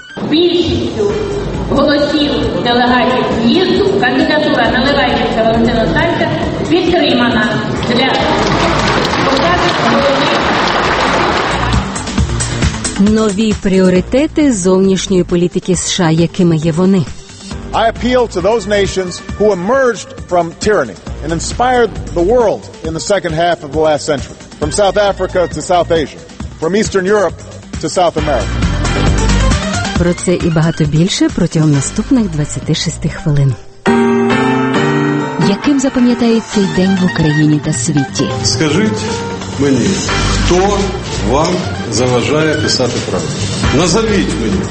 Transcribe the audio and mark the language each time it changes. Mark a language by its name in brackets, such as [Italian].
[Ukrainian] Більшістю голосів делегатів в'їзду кандидатура Наливайченка Валентина Останця підтримана для посади голови. Нові пріоритети зовнішньої політики США, якими є вони? [English] I appeal to those nations who emerged from tyranny and inspired the world in the second half of the last century. From South Africa to South Asia. From Eastern Europe to South America. [Ukrainian] Про це і багато більше протягом наступних 26 хвилин. Яким запам'ятається цей день в Україні та світі? Скажіть мені, хто вам заважає писати правду? Назовіть мені.